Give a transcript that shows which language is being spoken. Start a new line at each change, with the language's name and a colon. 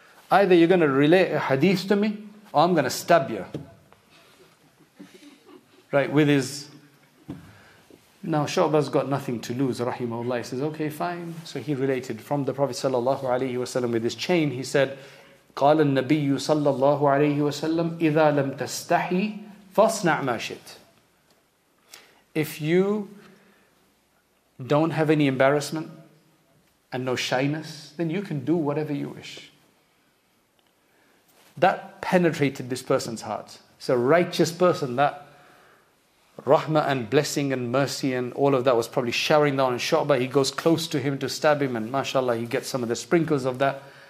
English: Either you're going to relay a hadith to me or I'm going to stab you. Right, with his... Now Shu'bah's got nothing to lose, rahimahullah. He says, okay, fine. So he related from the Prophet sallallahu alayhi wa sallam with his chain. He said,
Arabic: قَالَ النَّبِيُّ صَلَّى اللَّهُ عَلَيْهِ وَسَلَّمْ إِذَا لَمْ تَسْتَحِي فَاصْنَعْ مَا شِتْ.
English: If you don't have any embarrassment and no shyness, then you can do whatever you wish. That penetrated this person's heart. It's a righteous person that... Rahmah and blessing and mercy and all of that was probably showering down on Shu'bah. He goes close to him to stab him and mashallah, he gets some of the sprinkles of that.